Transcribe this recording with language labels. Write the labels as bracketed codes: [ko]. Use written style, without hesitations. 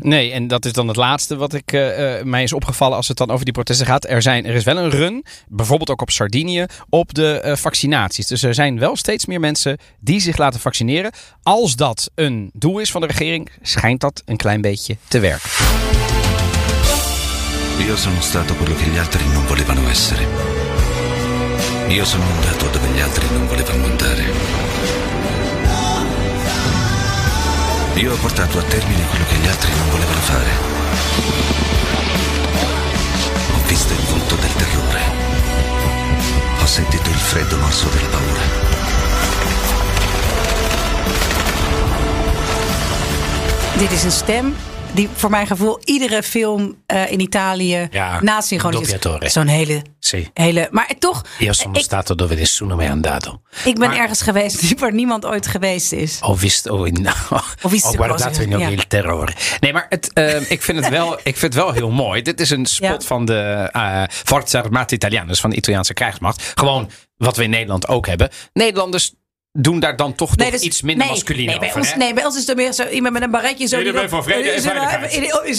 [nl] Nee, en dat is dan het laatste wat ik mij is opgevallen als het dan over die protesten gaat. Er is wel een run, bijvoorbeeld ook op Sardinië, op de vaccinaties. Dus er zijn wel steeds meer mensen die zich laten vaccineren. Als dat een doel is van de regering, schijnt dat een klein beetje te werken. [it] Io sono stato quello che gli altri non volevano essere. Io sono andato dove gli altri non volevano andare. Io ho portato a termine quello che gli altri non volevano fare. Ho visto il volto del terrore. ho sentito il freddo morso della paura. [nl] Dit is een stem die voor mijn gevoel iedere film in Italië naast synchronisatie is. Zo'n hele, [it] si. [nl] Hele... Maar toch... [it] Io sono stato dove nessuno mi è andato. [nl] Ik ben ergens geweest waar niemand ooit geweest is. [it] Ho guardato in ogni il terrore. [nl] Nee, maar het, ik vind het wel heel mooi. Dit is een spot van de Forza Armata Italianus, van de Italiaanse krijgsmacht. Gewoon wat we in Nederland ook hebben. Nederlanders... doen daar dan toch dus, iets minder masculine nee, over. Bij ons, hè? Nee, bij ons is er meer zo iemand met een baretje. Zo die voor vrede en veiligheid.